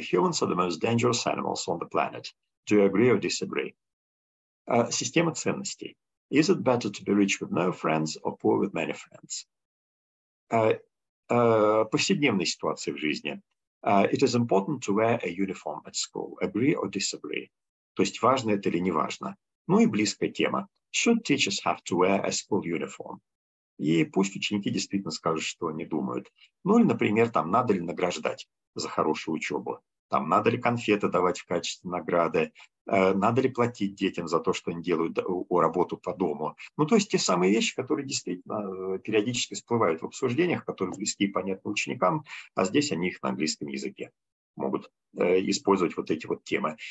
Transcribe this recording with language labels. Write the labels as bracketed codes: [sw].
[en] Humans are the most dangerous animals on the planet. Do you agree or disagree? [ru] Система ценностей. [en] Is it better to be rich with no friends or poor with many friends? [ru] Повседневные ситуации в жизни. [en] It is important to wear a uniform at school. Agree or disagree? [ru] То есть важно это или не важно. Ну и близкая тема. [en] Should teachers have to wear a school uniform? [ru] И пусть ученики действительно скажут, что они думают. Ну или, например, там надо ли награждать за хорошую учебу? Там надо ли конфеты давать в качестве награды, надо ли платить детям за то, что они делают работу по дому. Ну, то есть те самые вещи, которые действительно периодически всплывают в обсуждениях, которые близки и понятны ученикам, а здесь они их на английском языке могут использовать вот эти вот темы.